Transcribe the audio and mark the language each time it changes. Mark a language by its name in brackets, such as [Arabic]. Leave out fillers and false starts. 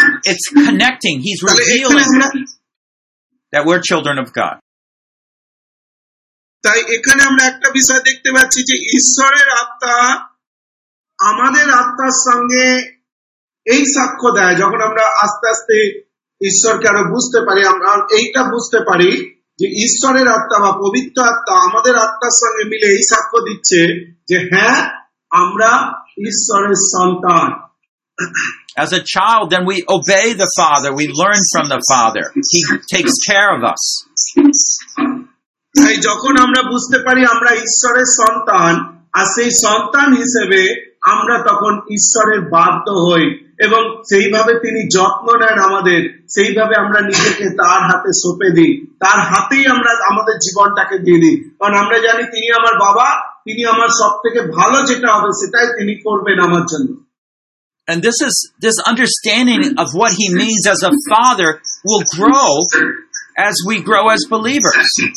[English] It's connecting, he's revealing that we're children of God. [Bangla] তাই এখানে আমরা একটা বিষয় দেখতে পাচ্ছি যে ঈশ্বরের আত্মা আমাদের আত্মার সঙ্গে এই সাক্ষ্য দেয়, যখন আমরা আস্তে আস্তে ঈশ্বরকে আরো বুঝতে পারি, আমরা এইটা বুঝতে পারি যে ঈশ্বরের আত্মা বা পবিত্র আত্মা আমাদের আত্মার সঙ্গে মিলে এই সাক্ষ্য দিচ্ছে যে হ্যাঁ, আমরা ঈশ্বরের সন্তান। [English] As a child, then we obey the Father, we learn from the Father, he takes care of us. [Bangla] তাই যখন আমরা বুঝতে পারি আমরা ঈশ্বরের সন্তান, আর সেই সন্তান হিসেবে আমরা তখন ঈশ্বরের বাধ্য হই এবং সেইভাবে তিনি যত্ন নেন আমাদের, সেইভাবে আমরা নিজেকে তার হাতে সঁপে দিই, তার হাতেই আমরা আমাদের জীবনটাকে দিয়ে দিই। কারণ আমরা জানি তিনি আমার বাবা, তিনি আমার সব থেকে ভালো যেটা হবে সেটাই তিনি করবেন আমার জন্য। [English] And this understanding of what he means as a father will grow as we grow as believers.